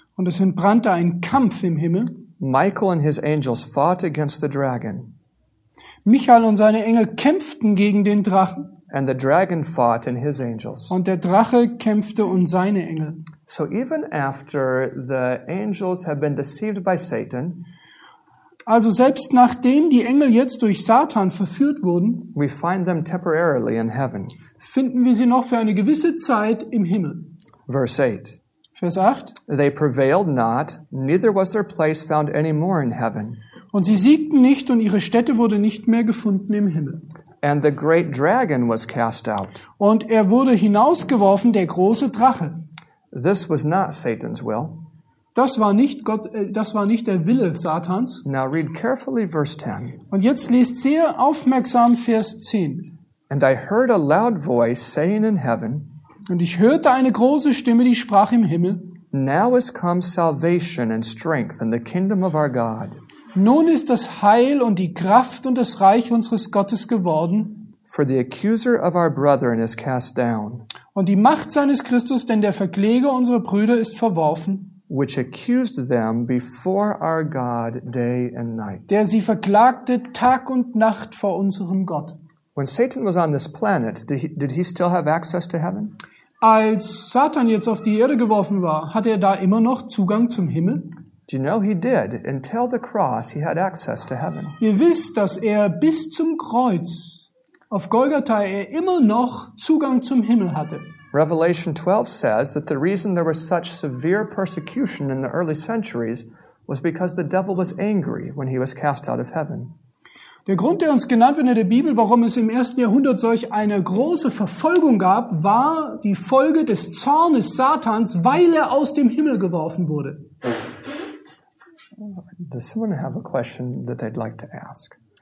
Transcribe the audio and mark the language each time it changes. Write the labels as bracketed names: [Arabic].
[German] Und es entbrannte ein Kampf im Himmel. [English] Michael and his angels fought against the dragon. [German] Michael und seine Engel kämpften gegen den Drachen. [English] And the dragon fought and his angels. [German] Und der Drache kämpfte und seine Engel. [English] So even after the angels have been deceived by Satan, [German] also selbst nachdem die Engel jetzt durch Satan verführt wurden, [English] we find them temporarily in heaven. [German] Finden wir sie noch für eine gewisse Zeit im Himmel. [English] Verse 8. [German] Vers 8. [English] They prevailed not, neither was their place found any more in heaven. [German] Und sie siegten nicht und ihre Stätte wurde nicht mehr gefunden im Himmel. [English] And the great dragon was cast out. [German] Und er wurde hinausgeworfen, der große Drache. [English] This was not Satan's will. [German] Das war nicht Gott, das war nicht der Wille Satans. [English] Now read carefully verse 10. [German] Und jetzt lest sehr aufmerksam Vers 10. [English] And I heard a loud voice saying in heaven. [German] Und ich hörte eine große Stimme, die sprach im Himmel. [English] Now is come salvation and strength and the kingdom of our God. [German] Nun ist das Heil und die Kraft und das Reich unseres Gottes geworden. [English] For the accuser of our brethren is cast down. [German] Und die Macht seines Christus, denn der Verkläger unserer Brüder ist verworfen. [English] Which accused them before our God day and night. [German] Der sie verklagte Tag und Nacht vor unserem Gott. [English] When Satan was on this planet, did he still have access to heaven? [German] Als Satan jetzt auf die Erde geworfen war, hatte er da immer noch Zugang zum Himmel? [English] Do you know he did? Until the cross, he had access to heaven. [German] Ihr wisst, dass er bis zum Kreuz auf Golgatha er immer noch Zugang zum Himmel hatte. [English] Revelation 12 says that the reason there was such severe persecution in the early centuries was because the devil was angry when he was cast out of heaven. [German] Der Grund, der uns genannt wird in der Bibel, warum es im ersten Jahrhundert solch eine große Verfolgung gab, war die Folge des Zornes Satans, weil er aus dem Himmel geworfen wurde. [English] Does someone have a question that they'd like to ask?